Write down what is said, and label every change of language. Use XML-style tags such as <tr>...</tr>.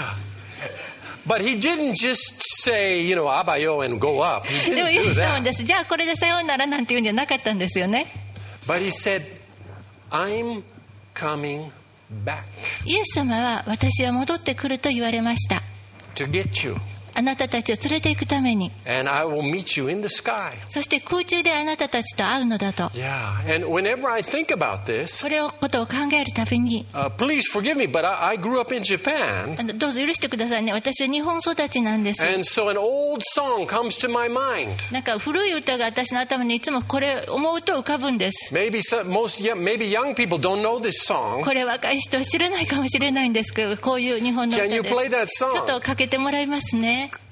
<en>da But he didn't just say, you know,</en> <ja>abayo</ja> <en>and go up.</en> <ja>でもイエス様です。じゃあこれでさようならなんて言うんじゃなかったんですよね。</ja> <en>But he said, I'm coming</en> <ja>イエス様は私は戻ってくると言われました。あなたたちを連れて行くために。</ja> <en>And I will meet you in the sky.</en> <ja>そして空中であなたたちと会うのだと。</ja> <en>Yeah. And whenever I think about this,</en> <ja>これをことを考えるたびに。</ja> <en>Please forgive me, but I grew up in Japan.</en> <ja>どうぞ許してくださいね。私は日本育ちなんです。</ja> <en>And so an old song comes to my mind.</en> <ja>なんか古い歌が私の頭にいつもこれ思うと浮かぶんです。</ja> <en>Maybe most maybe young people don't know this song.</en> <ja>これ若い人は知らないかもしれないんですけど、こういう日本の歌です。</ja> <en>Can you play that song?</en> <ja>ちょっとかけてもらいますね。</ja>